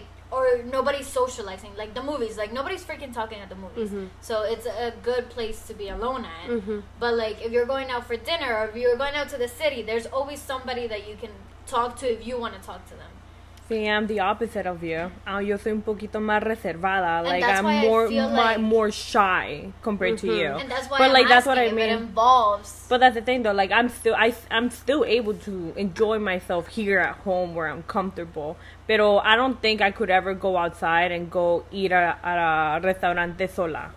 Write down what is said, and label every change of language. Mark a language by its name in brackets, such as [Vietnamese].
[English] Or nobody's socializing. Like, the movies. Like, nobody's freaking talking at the movies. Mm-hmm. So, it's a good place to be alone at. Mm-hmm. But, like, if you're going out for dinner or if you're going out to the city, there's always somebody that you can talk to if you want to talk to them. See, I'm the opposite of you. [Spanish] Yo soy un poquito más reservada. [English] Like, I'm more shy compared mm-hmm. to you. And that's why I mean, it involves. But that's the thing, though. Like, I'm still able to enjoy myself here at home where I'm comfortable. But I don't think I could ever go outside and go eat at a [Spanish] restaurante sola.